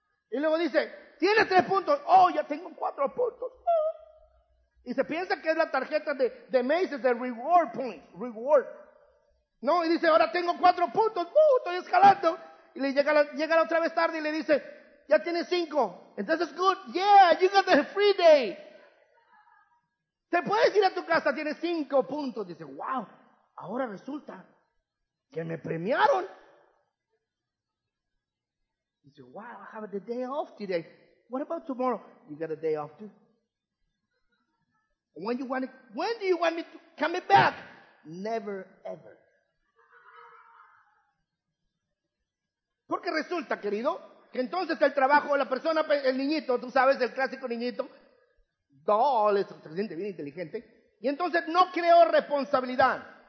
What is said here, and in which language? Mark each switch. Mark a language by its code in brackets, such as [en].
[es] Y luego dice, tienes 3 puntos. Oh, ya tengo 4 puntos. Y se piensa que es la tarjeta de Macy's, de Reward Points, Reward. No, y dice, ahora tengo 4 puntos, estoy escalando. Y le llega otra vez tarde y le dice, ya tiene 5. [en] Entonces, good, yeah, you got the free day. [es] Te puedes ir a tu casa, tienes 5 puntos. Dice, wow, ahora resulta que me premiaron. [en] Dice, wow, I have the day off today. What about tomorrow? You got a day off too. When do you want me to come back? Never, ever. [es] Porque resulta, querido, que entonces el trabajo, la persona, el niñito, tú sabes, el clásico niñito, doll, es suficiente, bien inteligente, y entonces no creó responsabilidad.